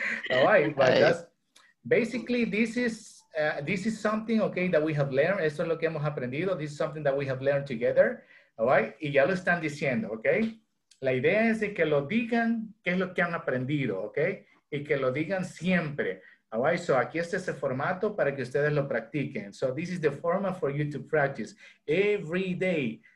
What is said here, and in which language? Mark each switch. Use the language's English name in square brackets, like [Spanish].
[English] All right, but that's, basically, this is something, okay, that we have learned. Eso es lo que hemos aprendido. This is something that we have learned together. [Spanish] All right, y ya lo están diciendo, okay. La idea es de que lo digan qué es lo que han aprendido, okay, y que lo digan siempre. All right, so aquí está ese formato para que ustedes lo practiquen. [English] So this is the format for you to practice every day.